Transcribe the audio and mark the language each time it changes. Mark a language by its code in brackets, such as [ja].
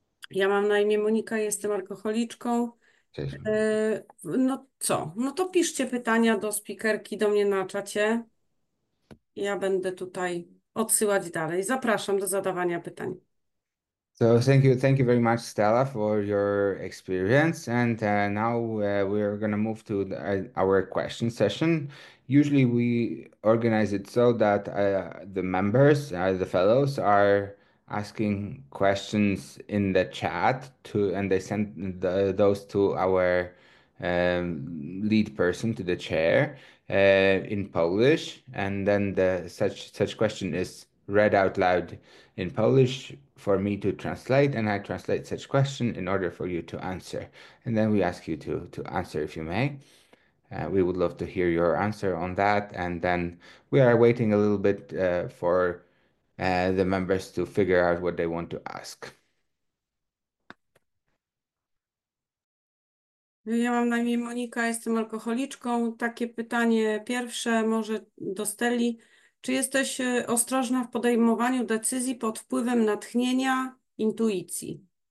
[pl] Ja mam na imię Monika, jestem alkoholiczką. Cześć. No co? No to piszcie pytania do speakerki, do mnie na czacie. Ja będę tutaj odsyłać dalej. Zapraszam do zadawania pytań. [en] So thank you very much, Stella, for your experience. And now we are going to move to our question session. Usually we organize it so that the members, the fellows, are asking questions in the chat and they send those to our lead person, to the chair, in Polish, and then such question is read out loud in Polish for me to translate, and I translate such question in order for you to answer. And then we ask you to answer if you may. We would love to hear your answer on that. And then we are waiting a little bit for the members to figure out what they want to ask. [pl] Ja mam na imię Monika, jestem alkoholiczką. Takie pytanie pierwsze, może do Steli. Czy jesteś ostrożna w podejmowaniu decyzji pod wpływem natchnienia, intuicji?